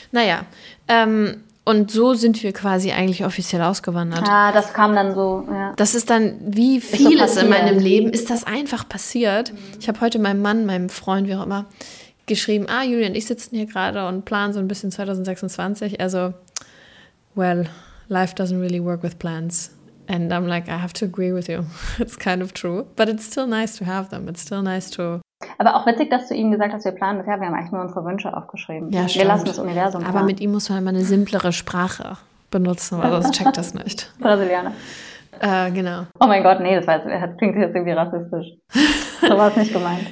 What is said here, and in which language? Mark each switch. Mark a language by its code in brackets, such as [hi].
[de] Naja, und so sind wir quasi eigentlich offiziell ausgewandert. Ja, das kam dann so, ja. Das ist dann, wie vieles so in meinem Leben, ist das einfach passiert. Mhm. Ich habe heute meinem Mann, meinem Freund, wie auch immer, geschrieben, Julian, ich sitze hier gerade und plane so ein bisschen 2026. [en] Also, well, life doesn't really work with plans. And I'm like, I have to agree with you. It's kind of true. But it's still nice to have them. It's still nice to... [de] Aber auch witzig, dass du ihm gesagt hast, wir planen das. Ja, wir haben eigentlich nur unsere Wünsche aufgeschrieben. Ja, wir stimmt. lassen das Universum planen. Aber mit ihm muss man immer eine simplere Sprache benutzen, weil sonst checkt das nicht. Brasilianer. Genau. Oh mein Gott, nee, das klingt jetzt irgendwie rassistisch. So war es nicht gemeint.